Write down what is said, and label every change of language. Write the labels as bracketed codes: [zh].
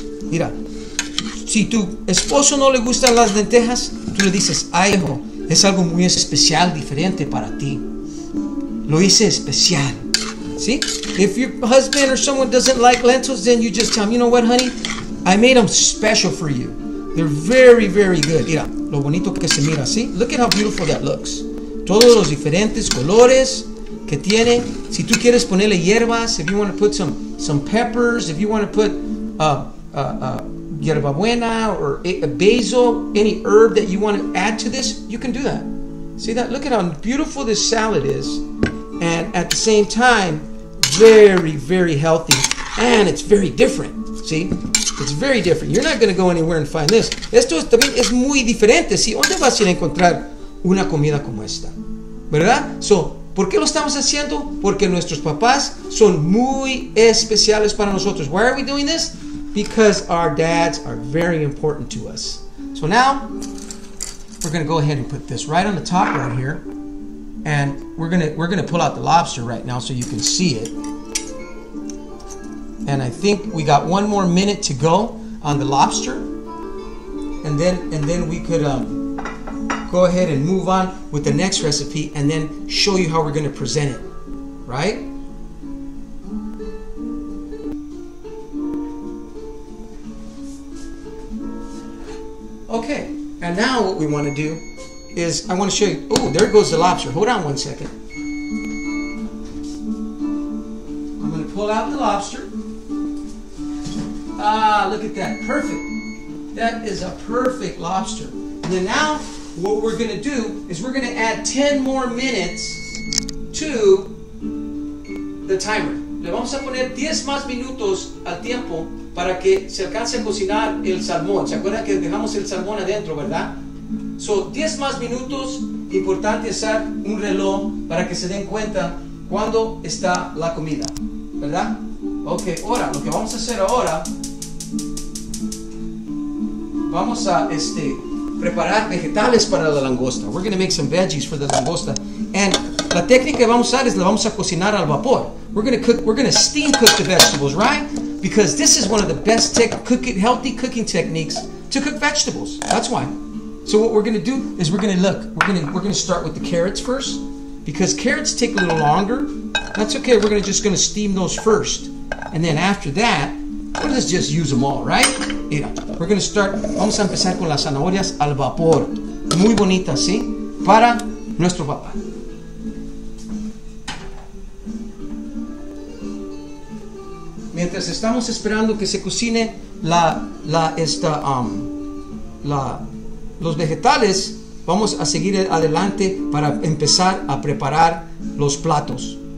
[es] Mira, si tu esposo no le gustan las lentejas, tú le dices, ay, hijo, es algo muy especial, diferente para ti. Lo hice especial. [en] See? If your husband or someone doesn't like lentils, then you just tell him, you know what, honey? I made them special for you. They're very, very good. [es] Mira, lo bonito que se mira, ¿sí? [en] Look at how beautiful that looks. [es] Todos los diferentes colores que tiene. Si tú quieres ponerle hierbas, [en] if you want to put some peppers, if you want to put hierbabuena or a basil, any herb that you want to add to this, you can do that. See that? Look at how beautiful this salad is. And at the same time, very, very healthy. And it's very different. See? It's very different. You're not going to go anywhere and find this. [es] Esto también es muy diferente. ¿Sí? ¿Dónde vas a ir a encontrar una comida como esta? ¿Verdad? So, ¿por qué lo estamos haciendo? Porque nuestros papás son muy especiales para nosotros. [en] Why are we doing this? Because our dads are very important to us. So now, we're going to go ahead and put this right on the top right here. And we're gonna pull out the lobster right now so you can see it. And I think we got 1 more minute to go on the lobster. And then we could go ahead and move on with the next recipe and then show you how we're gonna present it, right? Okay, and now what we wanna do is I want to show you. Oh, there goes the lobster. Hold on 1 second. I'm going to pull out the lobster. Ah, look at that. Perfect. That is a perfect lobster. And then now what we're going to do is we're going to add 10 more minutes to the timer. [es] Le vamos a poner 10 más minutos al tiempo para que se alcance a cocinar el salmón. ¿Se acuerdan que dejamos el salmón adentro, verdad? So, 10 más minutos, importante usar un reloj para que se den cuenta cuándo está la comida, ¿verdad? Ok, ahora, lo que vamos a hacer ahora, vamos a preparar vegetales para la langosta. [en] We're going to make some veggies for the langosta. [es] And la técnica que vamos a usar es la vamos a cocinar al vapor. [en] We're going to steam cook the vegetables, right? Because this is one of the best healthy cooking techniques to cook vegetables. That's why. So what we're going to do is we're going to start with the carrots first. Because carrots take a little longer. That's okay. We're just going to steam those first. And then after that, we'll just use them all, right? Mira, we're going to start. [es] Vamos a empezar con las zanahorias al vapor. Muy bonitas, ¿sí? Para nuestro papá. Mientras estamos esperando que se cocine los vegetales, vamos a seguir adelante para empezar a preparar los platos.